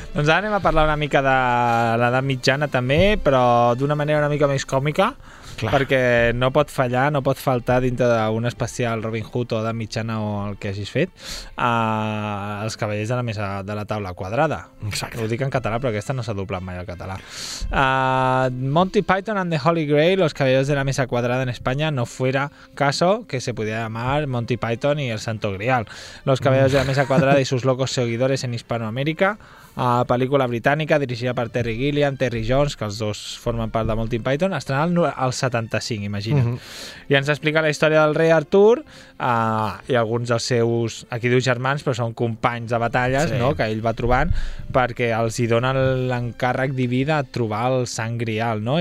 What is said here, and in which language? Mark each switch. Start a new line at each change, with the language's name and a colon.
Catalan: Doncs ara anem a parlar una mica de l'edat mitjana també, però d'una manera una mica més còmica. Clar. Perquè no pot fallar, no pot faltar dintre d'un especial Robin Hood o de mitjana o el que hagis fet, els cavallers de la mesa de la taula quadrada. Exacte. Ho dic en català, però aquesta no s'ha doblat mai al català.
Spanish: Monty Python and the Holy Grail, los cavallers de la mesa cuadrada en España, no fuera caso que se pudiera llamar Monty Python y el Santo Grial. Los cavallers de la mesa cuadrada y sus locos seguidores en Hispanoamérica...
Catalan: pel·lícula britànica dirigida per Terry Gilliam, Terry Jones, que els dos formen part de Monty Python, estrenada al 75, imagina't. I ens explica la història del rei Artur i alguns dels seus, aquí diu germans, però són companys de batalles, sí. No? Que ell va trobant, perquè els hi dona l'encàrrec diví de trobar el Sant Grial, no?